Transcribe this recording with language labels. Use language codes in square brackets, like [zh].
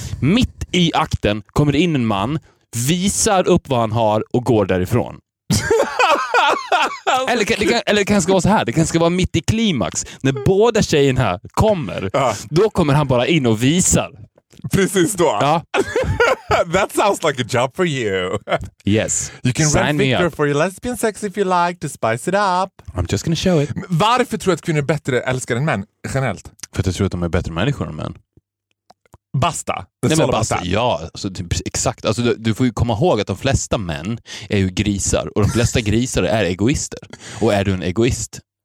[sv] Mitt i akten kommer in en man, visar upp vad han har och går därifrån. Eller det kanske kan vara så här. Det kanske vara mitt i klimax. När båda tjejerna kommer, då kommer han bara in och visar. Precis då. Ja. [en] That sounds like a job for you. Yes. You can rent Victor for your lesbian sex if you like to spice it up. I'm just gonna show it. [sv] Varför tror du att kvinnor är bättre älskare än män generellt? För att jag tror att de är bättre människor än män. Basta. Nej, men basta. Ja, alltså, exakt. Alltså, du får ju komma ihåg att de flesta män är ju grisar. Och de flesta grisar är egoister. Och är du en egoist?